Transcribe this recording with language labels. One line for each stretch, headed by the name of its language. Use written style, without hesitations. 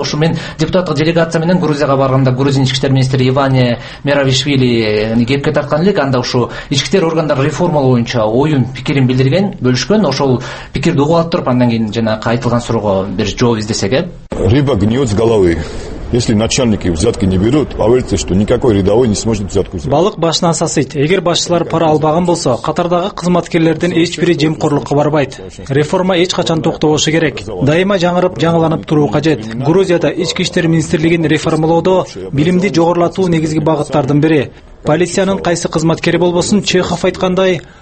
Kyrgyz: Ушу мен депутаттык делегация менен Грузияга барганда грузин ички иштер министри Иване Меравишвили кепке тарткан элек, анда ушу ички иштер органдары реформалоо боюнча оюн, пикирин билдирген, бөлүшкөн. Ошол пикирди угуп алып туруп, андан кийин жанагы айтылган суроого бир жооп издесек э.
Russian: Рыба гниет с головы. Если начальники взятки не берут, поверьте, что никакой рядовой не сможет взятку взять.
Kyrgyz: Балык башынан сасыйт. Эгер башчылар пара албаган болсо, катардагы кызматкерлердин эч бири жемкорлукка барбайт. Реформа эч качан токтобошу керек. Дайыма жаңырып, жаңыланып туруу кажет. Грузияда ички иштер министрлигин реформалоодо билимди жогорулатуу негизги багыттардын бири. Полициянын кайсы кызматкери болбосун, Чехов айткандай,